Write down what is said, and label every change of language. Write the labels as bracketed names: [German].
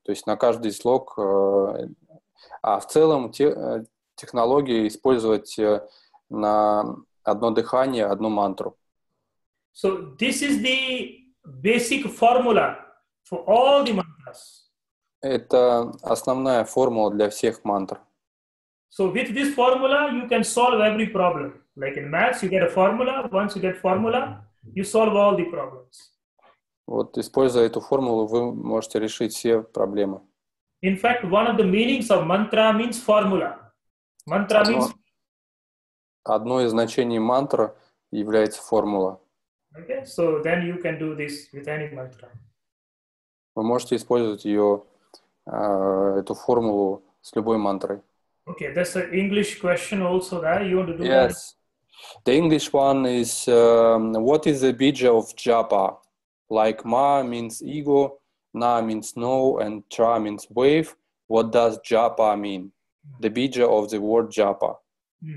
[Russian] То есть на каждый слог. А в целом технологии использовать на одно дыхание, одну мантру. [English] So this is the basic formula for all the mantras. [Russian] Это основная формула для всех мантр. [English] So with this formula you can solve every problem. Like in maths you get a formula, once you get formula, you solve all the problems. [Russian] Вот используя эту формулу вы можете решить все проблемы. [English] In fact, one of the meanings of mantra means formula. Mantra means. [Russian] Одно из значений мантры является формула. [English] Okay, so then you can do this with any mantra. [Russian] Вы можете использовать ее эту формулу с любой мантрой. [English] Okay, that's an English question also, right? You want to do that? Yes. The English one is what is the bija of japa? Like ma means ego. Na means no and tra means wave. What does japa mean? The bija of the word japa. Mm.